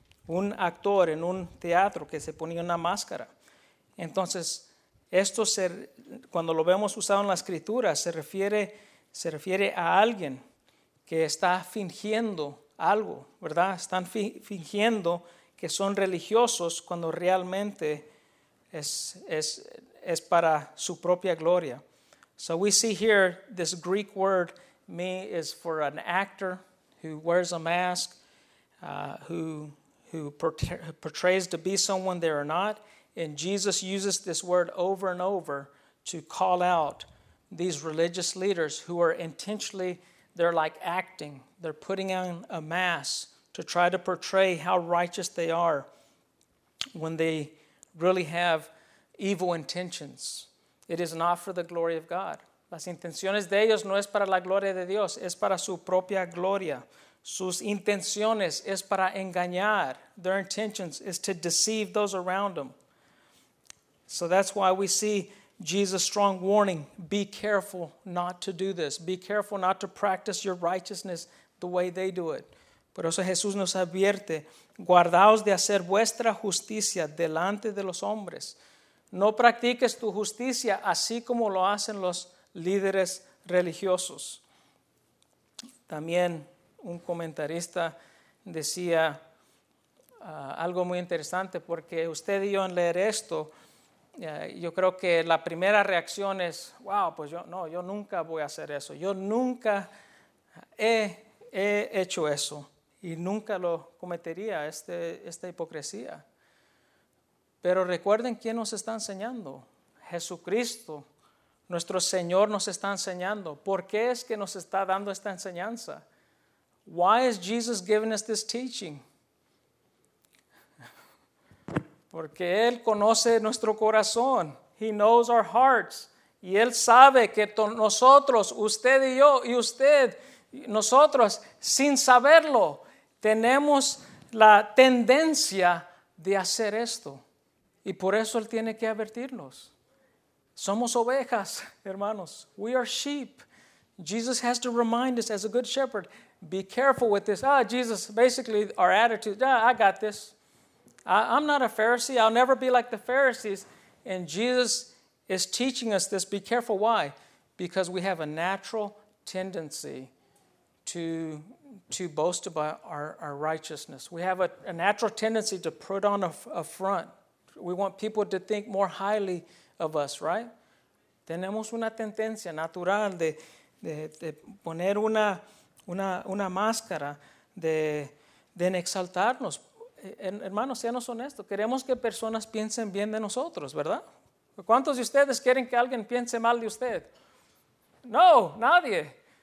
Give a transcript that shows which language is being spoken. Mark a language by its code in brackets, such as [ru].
[es] Un actor en un teatro que se ponía una máscara. Entonces, esto cuando lo vemos usado en la escritura, se refiere a alguien que está fingiendo algo, ¿verdad? Están fingiendo que son religiosos cuando realmente es para su propia gloria. [en] So we see here this Greek word me is for an actor who wears a mask, who portrays to be someone they are not. And Jesus uses this word over and over to call out these religious leaders who are intentionally, they're like acting, they're putting on a mask to try to portray how righteous they are when they really have evil intentions. It is not for the glory of God. [es] Las intenciones de ellos no es para la gloria de Dios, es para su propia gloria. Sus intenciones es para engañar. [en] Their intentions is to deceive those around them. So that's why we see Jesus' strong warning, be careful not to do this. Be careful not to practice your righteousness the way they do it. [es] Por eso Jesús nos advierte, guardaos de hacer vuestra justicia delante de los hombres. No practiques tu justicia así como lo hacen los líderes religiosos. También un comentarista decía algo muy interesante, porque usted y yo en leer esto, yo creo que la primera reacción es, wow, pues yo nunca voy a hacer eso. Yo nunca he hecho eso. Y nunca lo cometería esta hipocresía. Pero recuerden quién nos está enseñando. Jesucristo, nuestro Señor, nos está enseñando. ¿Por qué es que nos está dando esta enseñanza? [en] Why is Jesus giving us this teaching? [es] Porque Él conoce nuestro corazón. [en] He knows our hearts. [es] Y Él sabe que nosotros, usted y yo, y usted, nosotros, sin saberlo, tenemos la tendencia de hacer esto. Y por eso él tiene que advertirnos. Somos ovejas, hermanos. [en] We are sheep. Jesus has to remind us as a good shepherd, be careful with this. Ah, Jesus, basically our attitude, ah, I got this. I'm not a Pharisee. I'll never be like the Pharisees. And Jesus is teaching us this. Be careful. Why? Because we have a natural tendency to boast about our righteousness. We have a natural tendency to put on a front. We want people to think more highly of us, right? [es] Tenemos una tendencia natural de poner una máscara de exaltarnos. Hermanos, seamos honestos. Queremos que personas piensen bien de nosotros, ¿verdad? ¿Cuántos de ustedes quieren que alguien piense mal de usted? No, nadie.